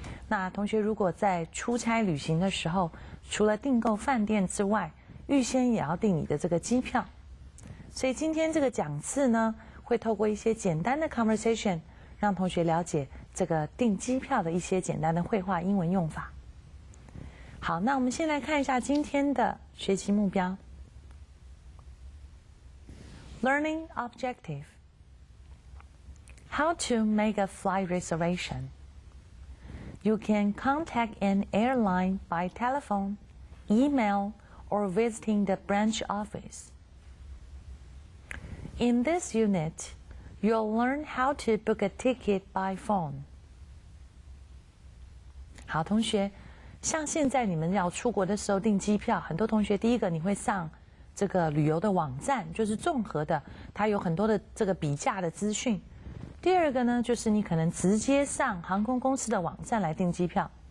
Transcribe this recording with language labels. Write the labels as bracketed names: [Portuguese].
[Chinese] 那同学如果在出差旅行的时候，除了订购饭店之外，预先也要订你的这个机票。所以今天这个讲次呢，会透过一些简单的 conversation， 让同学了解这个订机票的一些简单的会话英文用法。好，那我们先来看一下今天的学习目标。 [English] Learning objective: How to make a flight reservation. You can contact an airline by telephone, email, or visiting the branch office. In this unit, you'll learn how to book a ticket by phone. [Chinese] 好，同学。像现在你们要出国的时候订机票，很多同学第一个你会上这个旅游的网站，就是综合的，它有很多的这个比价的资讯。第二个呢，就是你可能直接上航空公司的网站来订机票。